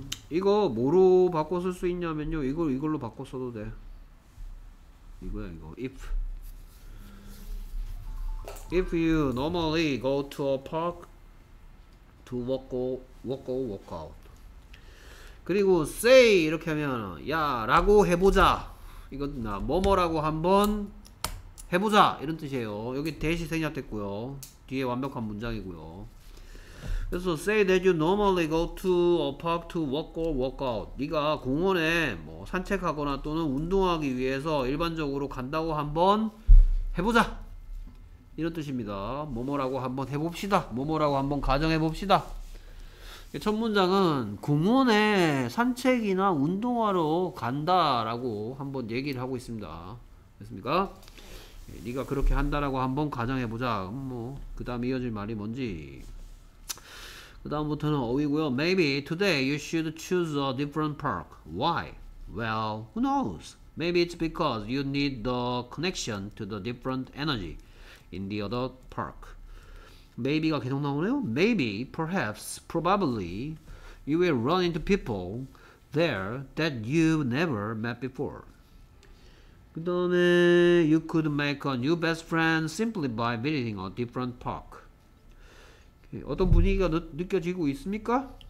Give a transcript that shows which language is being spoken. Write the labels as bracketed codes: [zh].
[ko] 이거 뭐로 바꿔 쓸 수 있냐면요. 이걸 이걸로 바꿔 써도 돼. 이거야 이거. [en] If you normally go to a park to walk out. [ko] 그리고 say 이렇게 하면 야라고 해보자. 이건 나 뭐뭐라고 한번 해보자 이런 뜻이에요. 여기 대시 생략됐고요. 뒤에 완벽한 문장이고요. 그래서 [en] say that you normally go to a park to walk or work out. [ko] 네가 공원에 뭐 산책하거나 또는 운동하기 위해서 일반적으로 간다고 한번 해보자. 이런 뜻입니다. 뭐뭐라고 한번 해봅시다. 뭐뭐라고 한번 가정해봅시다. 첫 문장은 공원에 산책이나 운동하러 간다라고 한번 얘기를 하고 있습니다. 됐습니까? 네가 그렇게 한다라고 한번 가정해보자. 뭐 그 다음 이어질 말이 뭔지. 그 다음부터는 어휘고요. [en] Maybe today you should choose a different park. Why? Well, who knows? Maybe it's because you need the connection to the different energy in the other park. [ko] Maybe가 계속 나오네요. [en] Maybe, perhaps, probably, you will run into people there that you've never met before. [ko] 그 다음에 [en] you could make a new best friend simply by visiting a different park. [ko] 어떤 분위기가 느껴지고 있습니까?